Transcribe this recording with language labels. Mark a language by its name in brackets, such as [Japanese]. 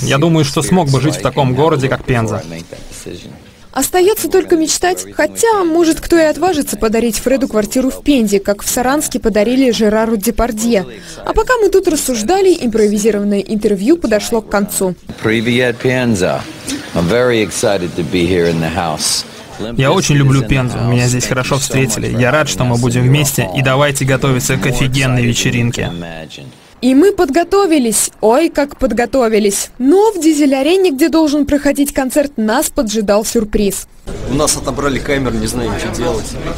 [Russian] Я думаю, что смог бы жить в таком городе, как Пенза. Остается только мечтать, хотя, может, кто и отважится подарить Фреду квартиру в Пензе, как в Саранске подарили Жерару Депардье. А пока мы тут рассуждали, импровизированное интервью подошло к концу. Привет, Пенза! [English] I'm very excited to be here in the house. [Russian] Я очень люблю Пензу, меня здесь хорошо встретили. Я рад, что мы будем вместе, и давайте готовиться к офигенной вечеринке. И мы подготовились, ой, как подготовились. Но в дизель-арене, где должен проходить концерт, нас поджидал сюрприз. У нас отобрали камеру, не знаем, что делать.